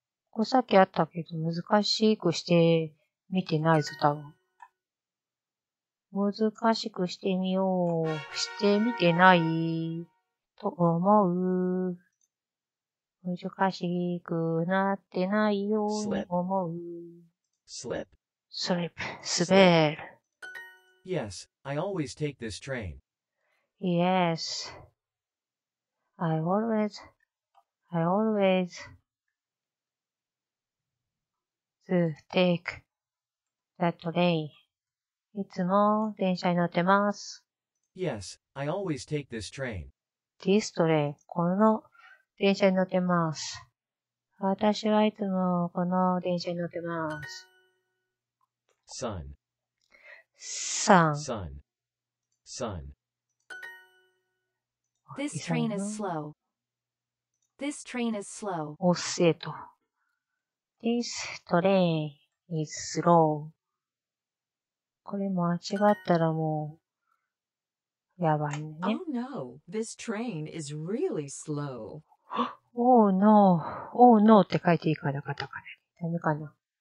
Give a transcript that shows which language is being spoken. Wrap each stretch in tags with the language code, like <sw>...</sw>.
<ja>これさっきあったけど、難しくして、見てないぞ、多分。難しくしてみよう。してみてない。と思う。難しくなってないように思う。</ja> <en>slip.</en> <ja>滑る。</ja> <en>yes, I always take this train. yes. I always to take. That train.</en> <ja>いつも電車に乗ってます。</ja> <en>Yes, I always take this train. This train.</en> <ja>この電車に乗ってます。私はいつもこの電車に乗ってます。</ja> <en>Sun. Sun. Sun. Sun. This train is slow. This train is slow.</en> <ja>遅いと。</ja> <en>This train is slow.</en> <ja>これ間違ったらもう、やばいね。</ja> <en>Oh no, this train is really slow. Oh no, oh no</en> <ja>って書いていいかなかったかね。ダメかな。</ja>